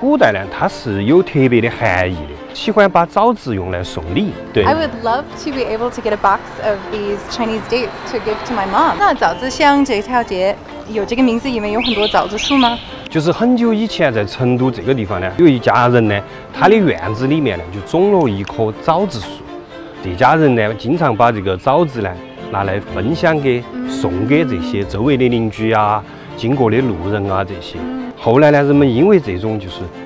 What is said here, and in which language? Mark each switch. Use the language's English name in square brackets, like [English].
[Chinese] 哦，哎，看，那这也是枣子树。这就是枣子树。哎，枣子啊，是跟我们这个中国的文化是有很深的一个渊源的。是吗？所以这条街叫枣子核的话，它是很有意思的。枣子在我们古代呢，它是有特别的含义的。喜欢把枣子用来送礼。对。 [English] I would love to be able to get a box of these Chinese dates to give to my mom. [Chinese] 那枣子巷这条街有这个名字，里面有很多枣子树吗？就是很久以前，在成都这个地方呢，有一家人呢，他的院子里面呢就种了一棵枣子树。这家人呢，经常把这个枣子呢拿来分享给、送给这些周围的邻居啊，经过的路人啊这些。后来呢，人们因为这种就是。